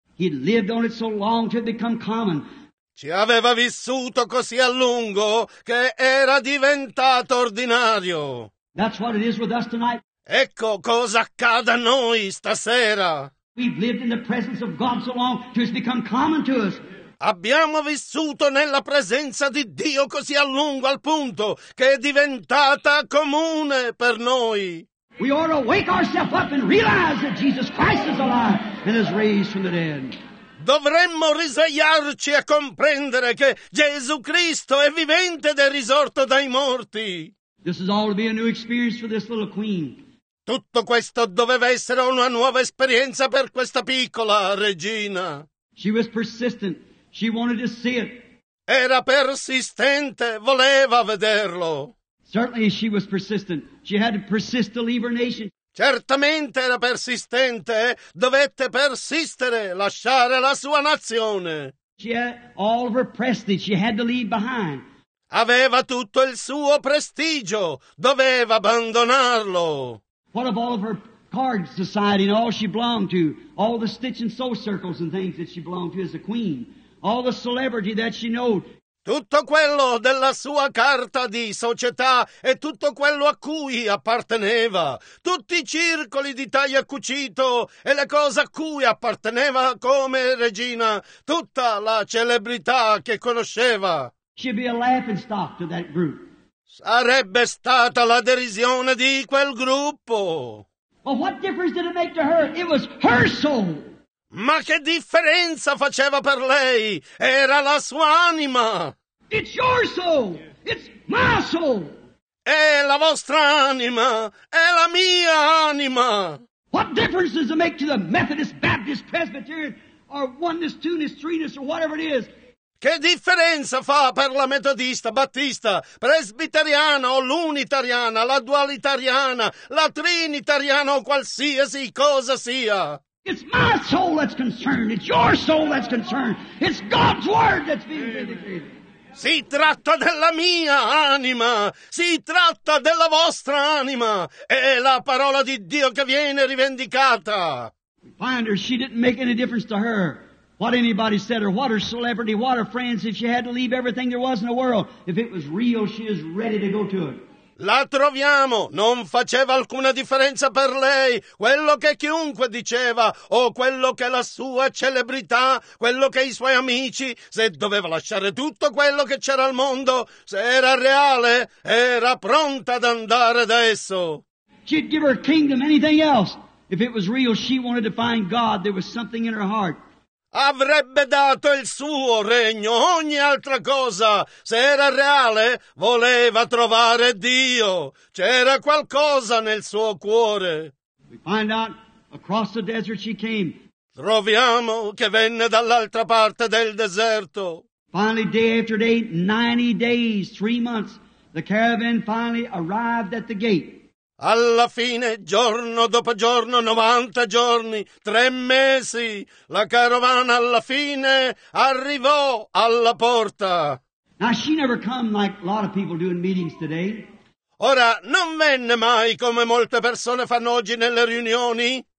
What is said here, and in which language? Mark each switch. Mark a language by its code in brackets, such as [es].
[en] He lived on it so long to become common. [it] Ci aveva vissuto così a lungo che era diventato ordinario. [en] That's what it is with us tonight. [it] Ecco cosa accade a noi stasera. [en] We've lived in the presence of God so long, it has become common to us. [it] Abbiamo vissuto nella presenza di Dio così a lungo al punto che è diventata comune per noi. [en] We ought to wake ourselves up and realize that Jesus Christ is alive and is raised from the dead. [it] Dovremmo risvegliarci a comprendere che Gesù Cristo è vivente ed è risorto dai morti. [en] This is all to be a new experience for this little queen. [it] Tutto questo doveva essere una nuova esperienza per questa piccola regina. [en] She was persistent. She wanted to see it. [it] Era persistente, voleva vederlo. [en] Certainly she was persistent. She had to persist to leave her nation. [it] Certamente era persistente, dovette persistere, lasciare la sua nazione. [en] She had all of her prestige, she had to leave behind. [it] Aveva tutto il suo prestigio, doveva abbandonarlo. [en] What of all of her card society and all she belonged to, all the stitch and sew circles and things that she belonged to as a queen, all the celebrity that she knew. [it] Tutto quello della sua carta di società e tutto quello a cui apparteneva, tutti i circoli di taglio e cucito e le cose a cui apparteneva come regina, tutta la celebrità che conosceva. [en] She'd be a laughingstock to that group. [it] Sarebbe stata la derisione di quel gruppo. [en] Well, what difference did it make to her? It was her soul. [it] Ma che differenza faceva per lei? Era la sua anima. [en] It's your soul. It's my soul. [it] È la vostra anima. È la mia anima. [en] What difference does it make to the Methodist, Baptist, Presbyterian, or Oneness, Two-ness, Three-ness, or whatever it is? [it] Che differenza fa per la metodista, battista, presbiteriana o l'unitariana, la dualitariana, la trinitariana o qualsiasi cosa sia? [en] It's my soul that's concerned. It's your soul that's concerned. It's God's word that's being vindicated. [it] Si tratta della mia anima. Si tratta della vostra anima. È la parola di Dio che viene rivendicata. [en] Find her. She didn't make any difference to her. What anybody said or what her celebrity, what her friends, if she had to leave everything there was in the world. If it was real, she is ready to go to it. [it] La troviamo, non faceva alcuna differenza per lei, quello che chiunque diceva, o quello che la sua celebrità, quello che i suoi amici, se doveva lasciare tutto quello che c'era al mondo, se era reale, era pronta ad andare da esso. [en] She'd give her kingdom, anything else. If it was real, she wanted to find God, there was something in her heart. [it] Avrebbe dato il suo regno, ogni altra cosa. Se era reale, voleva trovare Dio. C'era qualcosa nel suo cuore. [en] We find out across the desert she came. [it] Troviamo che venne dall'altra parte del deserto. [en] Finally, day after day, 90 days, 3 months, the caravan finally arrived at the gate. [it] Alla fine, giorno dopo giorno, 90 giorni, 3 mesi, la carovana alla fine arrivò alla porta. [en] Now she never come like a lot of people do in meetings today. [it] Ora, non venne mai come molte persone fanno oggi nelle riunioni.